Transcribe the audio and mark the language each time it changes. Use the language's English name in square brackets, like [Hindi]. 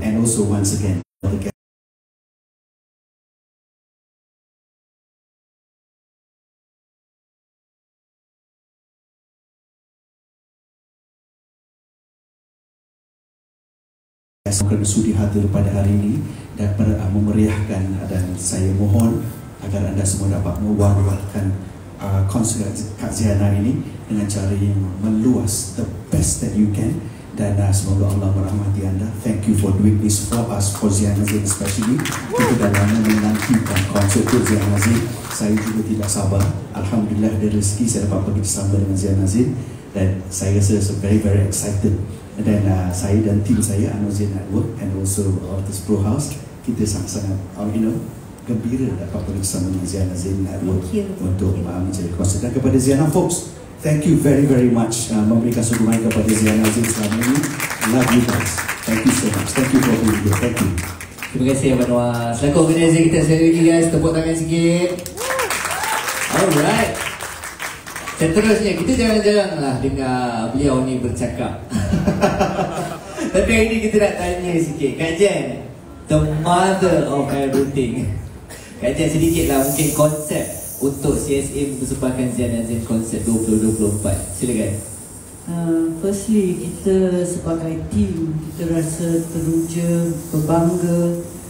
[English] And also, once again, [Malay] kerana sudi hadir pada hari ini dan memeriahkan, dan saya mohon agar anda semua dapat mewarwalkan konser Kak Ziana ini dengan cara yang meluas, [English] the best that you can, [Malay] dan semoga Allah merahmati anda. [English] Thank you for doing this for us, for Ziana Zee especially. [Malay] Kita dah lama menantikan konser untuk Ziana Zee. Saya juga tidak sabar. Alhamdulillah ada rezeki saya dapat pergi bersama dengan Ziana Zee, dan saya rasa [English] very, very excited. [Malay] Dan saya dan tim saya, Anozia Network and also Artis Pro House, kita sangat-sangat gembira dapat bersama dengan Ziana Zee Network untuk menjadi konsert. Dan kepada [English] Ziana folks, thank you very, very much [Malay] memberikan sokongan kepada Ziana Zee selama ini. [English] Love you guys. Thank you so much. Thank you for being here. Thank you. [Malay] Terima kasih, Abang Noah. Selaku organizer kita sekali lagi, guys. Tepuk tangan sikit. Alright. Seterusnya, kita jarang-jaranglah dengar beliau ni bercakap. Tapi hari ni kita nak tanya sikit. [English] Kak Jen, the mother of everything. [Malay] Kak Jen, sedikitlah mungkin konsep untuk CSA mempersembahkan Ziana Zee konsep 2024. Silakan. Firstly, kita sebagai team, kita rasa teruja, berbangga.